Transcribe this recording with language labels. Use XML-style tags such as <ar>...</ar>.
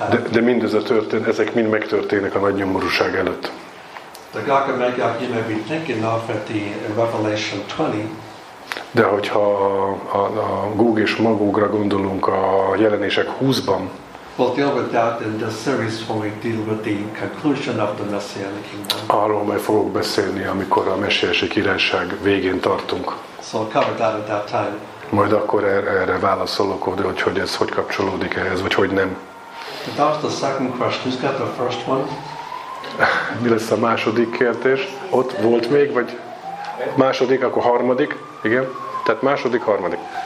<hu>de mindez a történet, ezek mind megtörténnek a nagy nyomorúság előtt.</hu> <en>The Gog and Magog you may be thinking of at the Revelation 20.</en> <hu>De hogyha a Gog és Magogra gondolunk a jelenések 20-ban,</hu> <en>we'll deal with that in the series when we deal with the conclusion of the Messianic Kingdom.</en> <hu>Arról majd fogok beszélni, amikor a messiási királyság végén tartunk.</hu> <en>So I'll cover that at that time.</en> <hu>Majd akkor erre válaszolok, hogy ez hogy kapcsolódik ehhez, vagy hogy nem.</hu> <en>But that's the second question. Who's got the first one?</en> <hu>Mi lesz a második kérdés? Ott volt még, vagy második, akkor harmadik? Igen? Tehát második, harmadik.</hu>